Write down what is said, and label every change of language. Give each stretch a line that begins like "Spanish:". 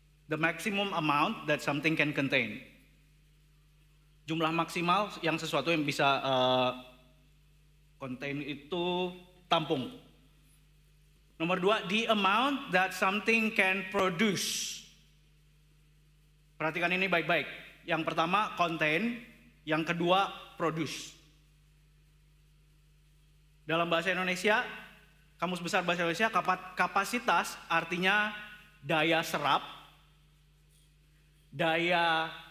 English: The maximum amount that something can contain.
Indonesian: Jumlah maksimal yang sesuatu yang bisa contain itu tampung. Nomor dua,
English: the amount that something can produce.
Indonesian: Perhatikan ini baik-baik. Yang pertama, contain. Yang kedua, produce. Dalam bahasa Indonesia, Kamus Besar Bahasa Indonesia, kapasitas artinya daya serap, daya